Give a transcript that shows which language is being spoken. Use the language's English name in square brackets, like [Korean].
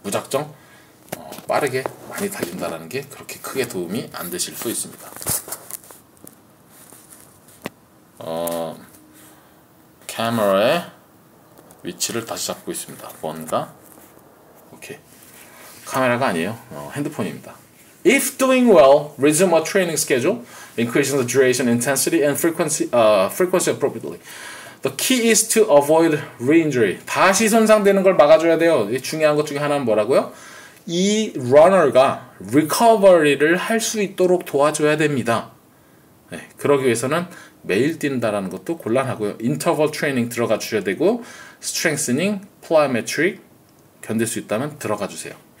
[Korean] 무작정 빠르게 많이 달린다라는 게 그렇게 크게 도움이 안 되실 수 있습니다. 카메라의 위치를 다시 잡고 있습니다. 뭔가 오케이 카메라가 아니에요. 핸드폰입니다. [English] If doing well, resume a training schedule, increasing the duration, intensity, and frequency appropriately. The key is to avoid re-injury. [Korean] 다시 손상되는 걸 막아줘야 돼요. 이 중요한 것 중에 하나는 뭐라고요? 이 러너가 recovery를 할 수 있도록 도와줘야 됩니다. 네, 그러기 위해서는 매일 뛴다라는 것도 곤란하고요. Interval training 들어가 주셔야 되고, strengthening, plyometric 견딜 수 있다면 들어가 주세요.